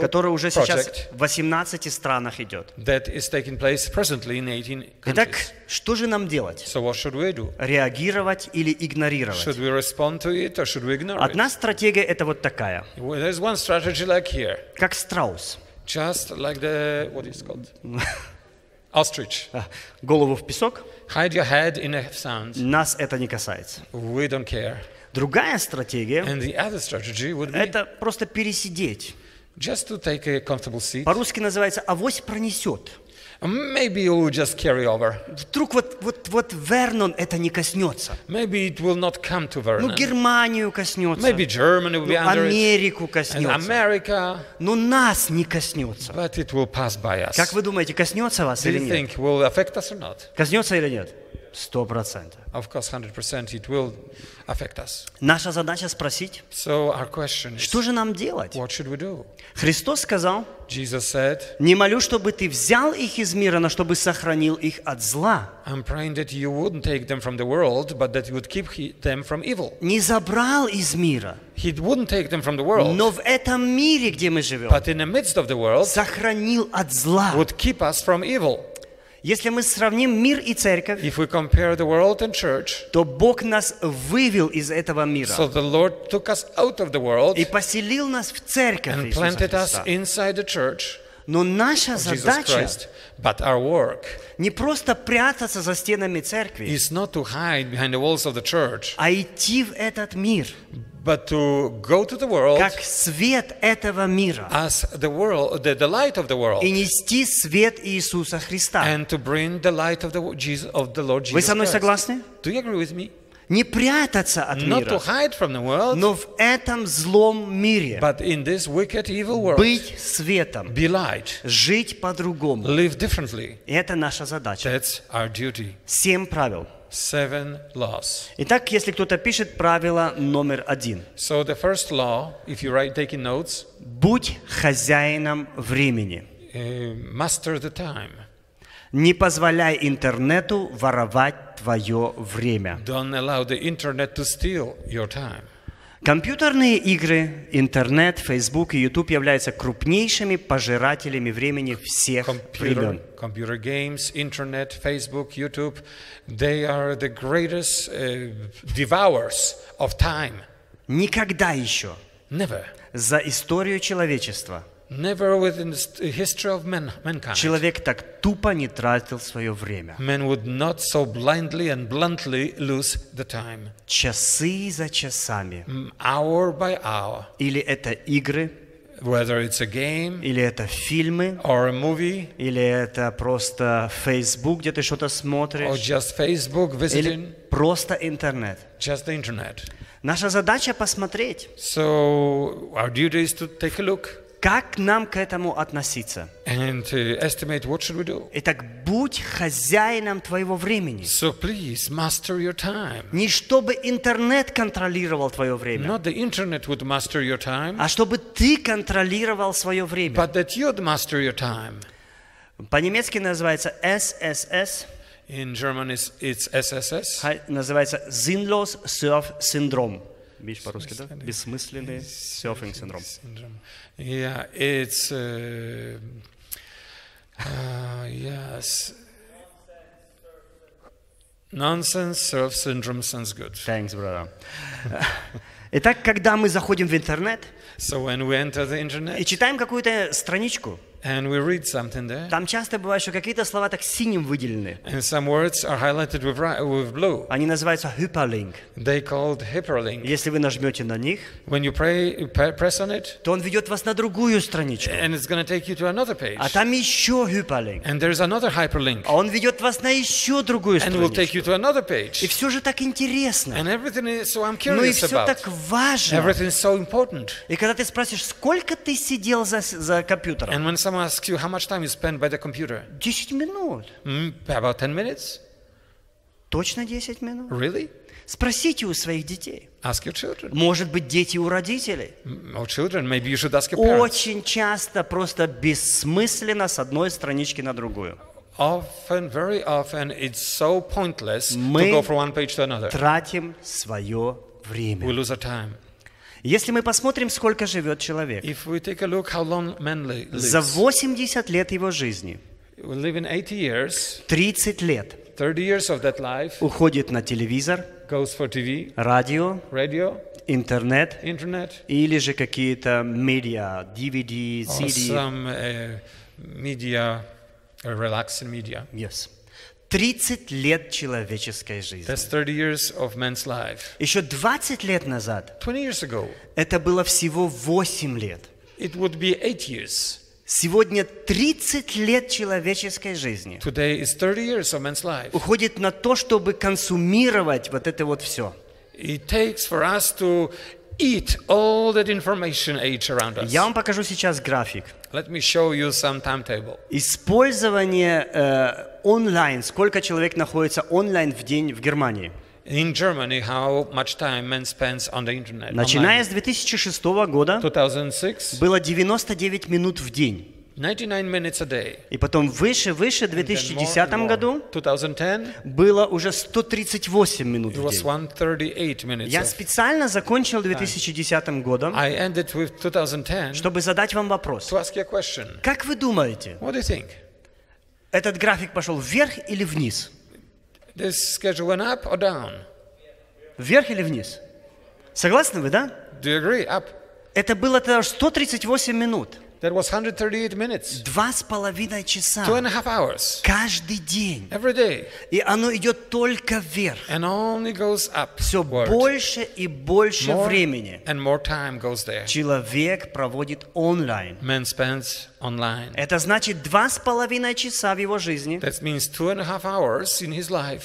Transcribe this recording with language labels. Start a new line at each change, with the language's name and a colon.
Russian: Который уже сейчас в 18 странах идет.
English: That is taking place presently in 18 countries.
Russian: Итак, что же нам делать?
English: So what should we do?
Russian: Реагировать или игнорировать?
English: Should we respond to it or should we ignore it?
Russian: Одна стратегия это вот такая.
English: Well, there's one strategy like here.
Russian: Как страус.
English: Just like the, what is it called? Ostrich.
Russian: Голову в песок.
English: Hide your head in a sand.
Russian: Нас это не касается.
English: We don't care.
Russian: Другая стратегия.
English: And the other strategy would be.
Russian: Это просто пересидеть.
English: Just to take a comfortable seat.
Russian: По-русски называется «авось пронесет».
English: Maybe you'll just carry over.
Russian: Вдруг вот Вернон это не коснется.
English: Maybe it will not come to Vernon.
Russian: Ну Германию коснется.
English: Maybe Germany will be under
Russian: Америку
English: it.
Russian: Коснется.
English: And America.
Russian: Но нас не коснется.
English: But it will pass by us.
Russian: Как вы думаете, коснется вас
English: Do
Russian: или
English: you
Russian: нет?
English: Think will affect us or not?
Russian: Коснется или нет? 100%.
English: Of course, 100% it will affect us.
Russian: Наша задача спросить.
English: So our question is.
Russian: Что же нам делать?
English: What should we do?
Russian: Христос сказал.
English: Jesus said.
Russian: Не молю, чтобы ты взял их из мира, но чтобы сохранил их от зла.
English: I'm praying that you wouldn't take them from the world, but that you would keep them from evil.
Russian: Не забрал из мира.
English: He wouldn't take them from the world.
Russian: Но в этом мире, где мы живем.
English: But in the midst of the world.
Russian: Сохранил от зла.
English: Would keep us from evil.
Russian: Если мы сравним мир и церковь,
English: If we compare the world and church,
Russian: то Бог нас вывел из этого мира.
English: So the Lord took us out of the world,
Russian: и поселил нас в церковь
English: and planted us inside the church.
Russian: Но наша задача
English: Christ, but our work,
Russian: не просто прятаться за стенами церкви,
English: is not to hide behind the walls of the church,
Russian: а идти в этот мир.
English: But to go to the world,
Russian: как свет этого мира,
English: as the world, the light of the world,
Russian: и нести свет Иисуса Христа,
English: and to bring the light of the Jesus of the Lord Jesus.
Russian: Вы со мной согласны?
English: Do you agree with me?
Russian: Не прятаться от
English: Not
Russian: мира,
English: to hide from the world,
Russian: но в этом злом мире,
English: but in this wicked, evil world,
Russian: быть светом,
English: be light,
Russian: жить по-другому,
English: live differently.
Russian: Это наша задача.
English: That's our duty.
Russian: 7 правил.
English: 7 laws.
Russian: Итак, если кто-то пишет правило номер 1.
English: So the first law, if you write taking notes.
Russian: Будь хозяином времени.
English: Master the time.
Russian: Не позволяй интернету воровать твое время.
English: Don't allow the internet to steal your time.
Russian: Компьютерные игры, интернет, Facebook и YouTube являются крупнейшими пожирателями времени всех времен.
English: Computer games, internet, Facebook, YouTube, they are the greatest devourers of time.
Russian: Никогда еще.
English: Never.
Russian: За историю человечества.
English: Never within the history of mankind.
Russian: Человек так тупо не тратил свое время.
English: Man would not so blindly and bluntly lose the time.
Russian: Часы за часами.
English: Hour by hour.
Russian: Или это игры.
English: Whether it's a game.
Russian: Или это фильмы.
English: Or a movie.
Russian: Или это просто Facebook, где ты что-то смотришь.
English: Or just Facebook visiting.
Russian: Или просто интернет.
English: Just the internet.
Russian: Наша задача посмотреть.
English: So our duty is to take a look.
Russian: Как нам к этому относиться?
English: And estimate what should we do?
Russian: Итак, будь хозяином твоего времени.
English: So please master your time.
Russian: Не чтобы интернет контролировал твое время.
English: Not the internet would master your time.
Russian: А чтобы ты контролировал свое время.
English: But that you'd master your time.
Russian: По-немецки называется SSS.
English: In German it's SSS.
Russian: Называется Sinnlos Surf Syndrome. Видишь по-русски, да? Бессмысленный серфинг синдром.
English: Yeah, it's yes. Nonsense surf syndrome sounds good. Thanks, brother.
Russian: Итак, когда мы заходим в интернет,
English: so when we enter the internet,
Russian: и читаем какую-то страничку,
English: and we read something there,
Russian: там часто бывает, что какие-то слова так синим выделены.
English: And some words are highlighted with blue.
Russian: Они называются hyperlink.
English: They called hyperlink.
Russian: Если вы нажмете на них,
English: when you pray, press on it,
Russian: то он ведет вас на другую страничку.
English: And it's going to take you to another page.
Russian: А там еще hyperlink.
English: And there's another hyperlink.
Russian: А он ведет вас на еще другую страничку.
English: And will take you to another page.
Russian: И все же так интересно.
English: And everything is so I'm curious about.
Russian: Но и все так важно.
English: Everything is so important.
Russian: И когда ты спросишь, сколько ты сидел за компьютером?
English: And when someone asks you how much time you spend by the computer?
Russian: 10 минут.
English: About 10 minutes?
Russian: Точно 10 минут?
English: Really?
Russian: Спросите у своих детей.
English: Ask your children.
Russian: Может быть, дети у родителей.
English: Or children, maybe you should ask your parents.
Russian: Очень часто просто бессмысленно с одной странички на другую.
English: Often, very often, it's so pointless to go from one page to another.
Russian: Мы тратим свое время.
English: We lose our time.
Russian: Если мы посмотрим, сколько живет человек,
English: if we take a look how long man lives,
Russian: за 80 лет его жизни,
English: we live in 80 years,
Russian: 30 лет,
English: 30 years of that life,
Russian: уходит на телевизор,
English: goes for TV,
Russian: радио,
English: radio,
Russian: интернет,
English: internet,
Russian: или же какие-то медиа, DVD, CD.
English: Or some media, relaxing media. Yes.
Russian: 30 лет человеческой жизни.
English: That's 30 years of man's life.
Russian: Еще 20 лет назад.
English: 20 years ago.
Russian: Это было всего 8 лет.
English: It would be 8 years.
Russian: Сегодня 30 лет человеческой жизни.
English: Today is 30 years of man's life.
Russian: Уходит на то, чтобы консумировать вот это вот все.
English: It takes for us to eat all that information age around us.
Russian: Я вам покажу сейчас график.
English: Let me show you some timetable.
Russian: Использование онлайн. Сколько человек находится онлайн в день в Германии?
English: In Germany, how much time men spends on the internet?
Russian: Начиная с 2006 года,
English: 2006,
Russian: было 99 минут в день.
English: 99 minutes a day.
Russian: И потом выше, в 2010 году,
English: 2010,
Russian: было уже 138 минут в день. Я специально закончил 2010 годом,
English: I ended with 2010,
Russian: чтобы задать вам вопрос.
English: To ask you a question.
Russian: Как вы думаете,
English: what do you think?
Russian: Этот график пошел вверх или вниз?
English: This schedule went up or down?
Russian: Вверх или вниз? Согласны вы, да?
English: Do you agree? Up.
Russian: Это было тогда 138 минут.
English: That was 138 minutes.
Russian: 2.5 часа.
English: 2.5 hours.
Russian: Каждый день.
English: Every day.
Russian: И оно идет только вверх.
English: And only goes up.
Russian: Все больше и больше времени.
English: And more time goes there.
Russian: Человек проводит онлайн.
English: Man spends online.
Russian: Это значит 2.5 часа в его жизни.
English: That means 2.5 hours in his life.